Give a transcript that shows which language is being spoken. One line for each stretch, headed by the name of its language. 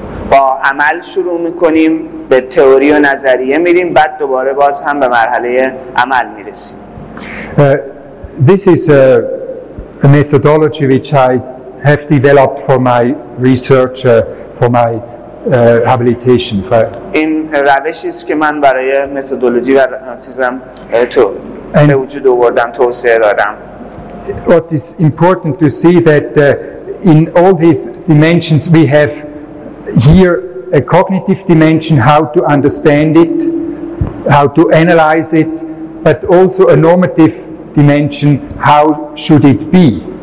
Persian: با عمل شروع میکنیم، به تئوری و نظریه میریم، بعد دوباره باز هم به مرحله عمل میرسیم.
English: This is a methodology which I have developed for my research, for my habilitation.
Persian: این روشی است که من برای متدولوژی و چیزم تو به وجود آوردم، توسعه دادم.
English: What is important to see that in all these dimensions we have here a cognitive dimension, how to understand it, how to analyze it, but also a normative dimension, how should it be.